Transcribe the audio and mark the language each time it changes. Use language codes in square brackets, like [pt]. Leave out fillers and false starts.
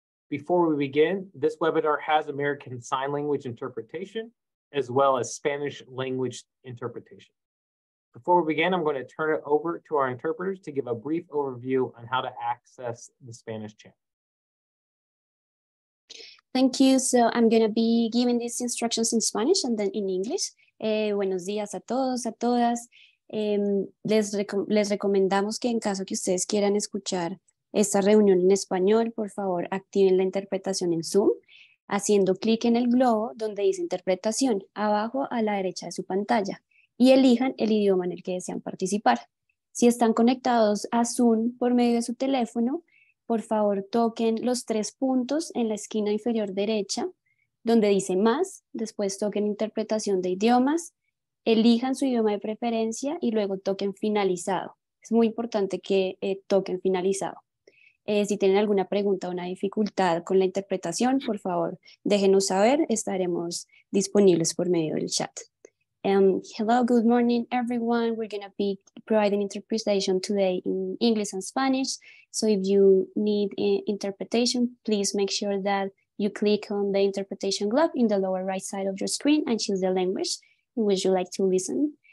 [en] Before we begin, this webinar has American Sign Language interpretation as well as Spanish language interpretation. Before we begin, I'm going to turn it over to our interpreters to give a brief overview on how to access the Spanish channel. Thank you. So I'm going to be giving these instructions in Spanish and then in English. [es] Buenos días a todos, a todas. Les recomendamos que en caso que ustedes quieran escuchar esta reunión en español, por favor, activen la interpretación en Zoom haciendo clic en el globo donde dice interpretación abajo a la derecha de su pantalla y elijan el idioma en el que desean participar. Si están conectados a Zoom por medio de su teléfono, por favor, toquen los tres puntos en la esquina inferior derecha donde dice más, después toquen interpretación de idiomas, elijan su idioma de preferencia y luego toquen finalizado. Es muy importante que toquen finalizado. Si tienen alguna pregunta o una dificultad con la interpretación, por favor, déjenos saber, estaremos disponibles por medio del chat. [en] Hello, good morning, everyone. We're going to be providing interpretation today in English and Spanish. So if you need interpretation, please make sure that you click on the interpretation globe in the lower right side of your screen and choose the language in which you like to listen.